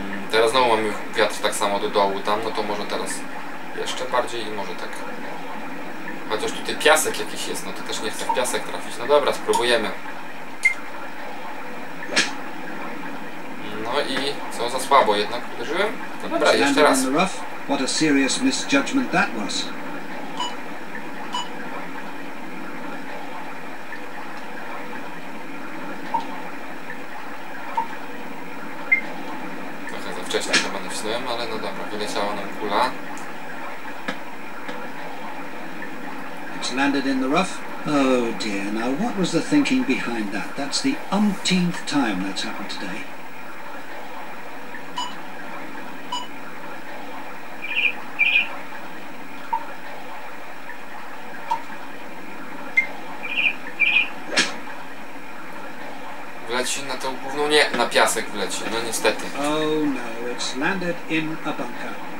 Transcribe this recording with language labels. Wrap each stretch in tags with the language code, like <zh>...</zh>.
<pl>Teraz znowu mamy wiatr tak samo do dołu tam. No to może teraz jeszcze bardziej i może tak. Chociaż tutaj piasek jakiś jest, no to też nie chcę w piasek trafić. No dobra, spróbujemy. No i co za słabo, jednak uderzyłem? No dobra, jeszcze raz.</pl> <en>What a serious misjudgment that was.</en> <pl>Trochę za wcześnie chyba nacisnąłem, ale no dobra, wyleciała nam kula.</pl> <en>Landed in the rough. Oh dear, now what was the thinking behind that? That's the umpteenth time that's happened today.</en> <pl>Wleci na tą główną, nie, na piasek wleci, no niestety.</pl> <en>Oh no, it's landed in a bunker.</en>